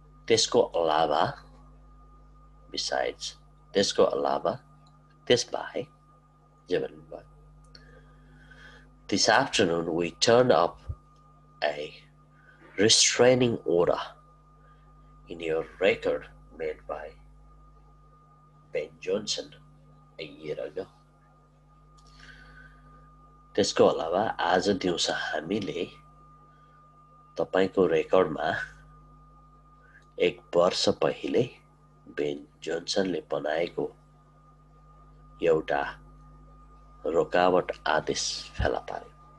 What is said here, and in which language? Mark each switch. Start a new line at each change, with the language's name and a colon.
Nepali: त्यसको अलावा
English: besides
Nepali: त्यसको अलावा त्यसबाहेक जे भन्नुभयो
English: This afternoon we turn up a restraining order in your record made by Ben Johnson a year ago.
Nepali: त्यसको अलावा आज दिउँस हामीले तपाईँको रेकर्डमा एक वर्ष पहिले बेन जोन्सनले बनाएको एउटा रोकावट आदेश फेला पार्यो.